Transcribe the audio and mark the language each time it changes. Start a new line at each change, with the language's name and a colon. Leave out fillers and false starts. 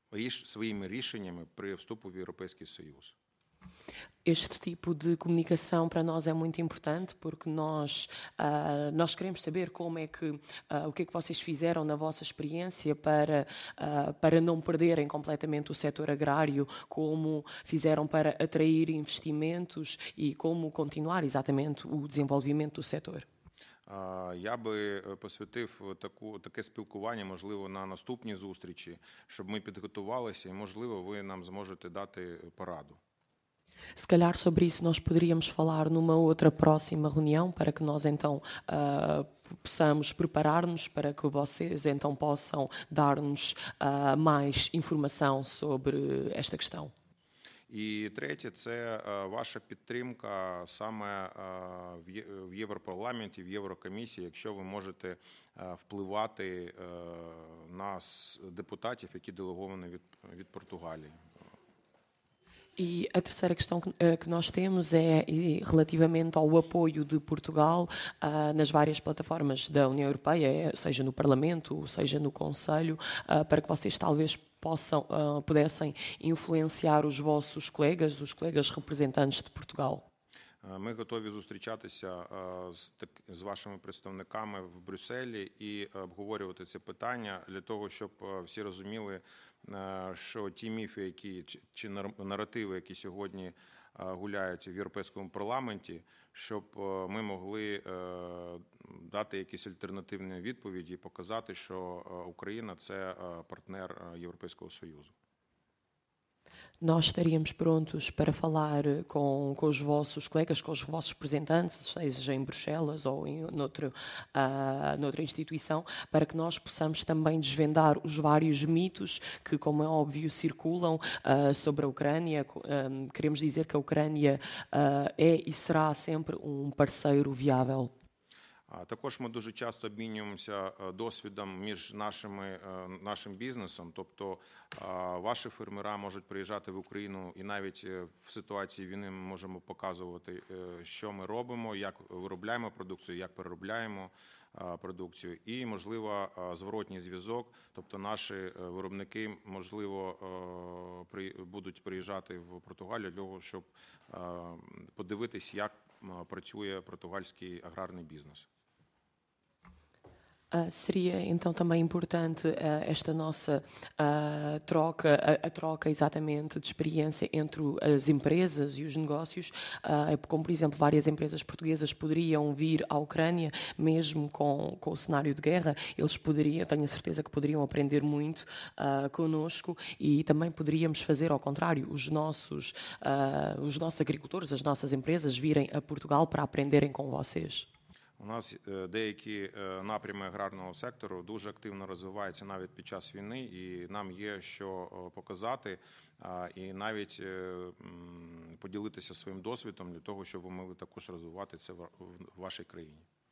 Ukrainian: своїми рішеннями при вступу в Європейський Союз.
Portuguese: Este tipo de comunicação para nós é muito importante porque nós, nós queremos saber como é que, o que é que vocês fizeram na vossa experiência para, para não perderem completamente o setor agrário, como fizeram para atrair investimentos e como continuar exatamente o desenvolvimento do setor.
Ukrainian: Я би посвятив таке спілкування, можливо, на наступні зустрічі, щоб ми підготувалися і, можливо, ви нам зможете дати пораду.
Portuguese: Se calhar sobre isso nós poderíamos falar numa outra próxima reunião para que nós então possamos preparar-nos para que vocês então possam dar-nos mais informação sobre esta questão.
Ukrainian: E третє, це ваша підтримка саме в Європарламенті, в Єврокомісії, якщо ви можете впливати на депутатів, які делеговані від Португалії.
Portuguese: E a terceira questão que nós temos é relativamente ao apoio de Portugal nas várias plataformas da União Europeia, seja no Parlamento, seja no Conselho, para que vocês talvez possam, pudessem influenciar os vossos colegas, os colegas representantes de Portugal.
Ukrainian: Ми готові зустрічатися з вашими представниками в Брюсселі і обговорювати це питання для того, щоб всі розуміли, що ті міфи, які чи наративи, які сьогодні гуляють в Європейському парламенті, щоб ми могли дати якісь альтернативні відповіді і показати, що Україна – це партнер Європейського Союзу.
Portuguese: Nós estaríamos prontos para falar com os vossos colegas, com os vossos representantes, seja em Bruxelas ou em noutra instituição, para que nós possamos também desvendar os vários mitos que, como é óbvio, circulam sobre a Ucrânia. Queremos dizer que a Ucrânia é e será sempre um parceiro viável.
Ukrainian: Також ми дуже часто обмінюємося досвідом між нашим бізнесом, тобто ваші фермери можуть приїжджати в Україну і навіть в ситуації війни ми можемо показувати, що ми робимо, як виробляємо продукцію, як переробляємо продукцію і, можливо, зворотній зв'язок, тобто наші виробники, можливо, будуть приїжджати в Португалію для того, щоб подивитись, як працює португальський аграрний бізнес.
Portuguese: Seria então também importante esta nossa troca, a troca exatamente de experiência entre as empresas e os negócios, como por exemplo várias empresas portuguesas poderiam vir à Ucrânia, mesmo com o cenário de guerra, eles poderiam, tenho a certeza que poderiam aprender muito connosco e também poderíamos fazer ao contrário, os nossos agricultores, as nossas empresas virem a Portugal para aprenderem com vocês.
Ukrainian: У нас деякі напрями аграрного сектору дуже активно розвиваються навіть під час війни, і нам є що показати, і навіть поділитися своїм досвідом для того, щоб ви могли також розвивати це в вашій країні.